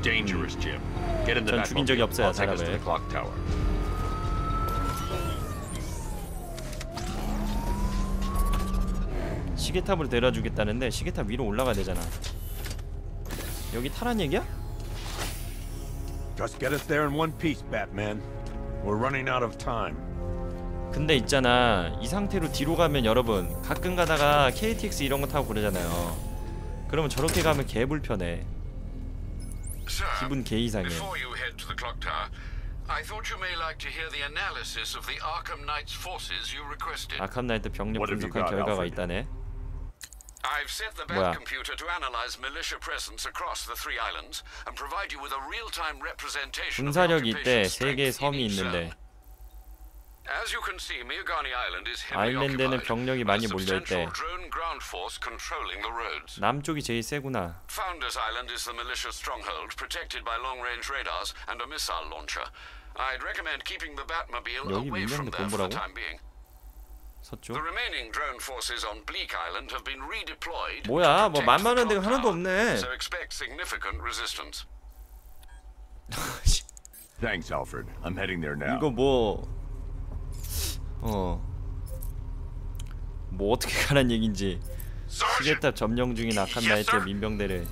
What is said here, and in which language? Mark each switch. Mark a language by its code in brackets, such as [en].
[ko] 전 죽인 적이 없어요, 사람을. 시계탑으로 내려주겠다는데 시계탑 위로 올라가야 되잖아. 여기 타란 얘기야? [en] Just get us there in one piece, Batman. We're running out of time. [ko] 근데 있잖아, 이 상태로 뒤로 가면 여러분 가끔 가다가 KTX 이런 거 타고 그러잖아요. 그러면 저렇게 가면 개 불편해. 기분 개 이상해. [en] Before you head to the clock tower, I thought you may like to hear the analysis of the Arkham Knight's forces you requested. [ko] 아캄 나이트 병력 분석한 결과가 있다네. [en] I've set the bat computer to analyze militia presence across the three islands and provide you with a real-time representation of the occupation's strength in each zone. As you can see, Miogani Island is heavily occupied with a substantial drone ground force controlling the roads. [ko] 남쪽이 제일 세구나. [en] Founders Island is the militia stronghold, protected by long-range radars and a missile launcher. I'd recommend keeping the Batmobile away from there for the time being. [ko] 서쪽? [en] The remaining drone forces on Bleak Island have been redeployed. [ko] 뭐야, 뭐 만만한 데가 하나도 없네. [en] So expect significant resistance. Thanks, Alfred. I'm heading there now. [ko] 이거 뭐? 뭐 어떻게 가는 얘긴지. 시계탑 점령 중인 아캄 나이트 민병대를.